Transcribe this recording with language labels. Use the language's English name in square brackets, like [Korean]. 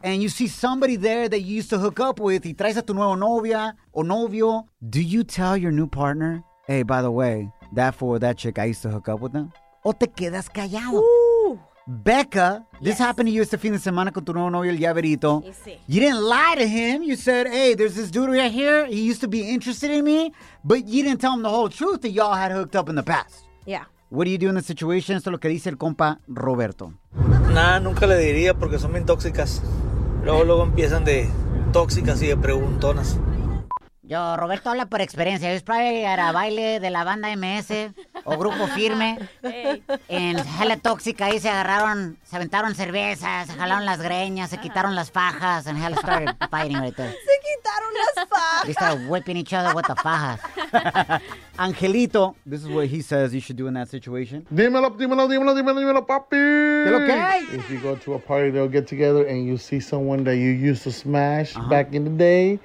[English] And you see somebody there that you used to hook up with, [Spanish] y traes a tu nuevo novia o novio, [English] do you tell your new partner, hey, by the way, that fool, that chick, I used to hook up with them? [Spanish] O te quedas callado. Ooh. [English] Becca, this happened to you [Spanish] este fin de semana con tu nuevo novio, el Llaverito. Sí. [English] You didn't lie to him. You said, hey, there's this dude right here. He used to be interested in me. But you didn't tell him the whole truth that y'all had hooked up in the past. Yeah. What do you do in the situation? [Spanish] Esto es lo que dice el compa Roberto. Nada, nunca le diría porque son bien tóxicas. Luego empiezan de tóxicas y de preguntonas. Yo, Roberto habla por experiencia. Yo probably era baile de la banda MS o Grupo Firme. En hella tóxica ahí se agarraron, se aventaron cervezas, se jalaron las greñas, se quitaron las fajas. [English] And hella started fighting right there. [Spanish] Se quitaron las fajas. [English] They started whipping each other with the fajas. Angelito, this is what he says you should do in that situation. [Spanish] Dímelo, dímelo, dímelo, dímelo, dímelo, papi. ¿Qué lo que? [English] If you go to a party, they'll get together and you see someone that you used to smash back in the day.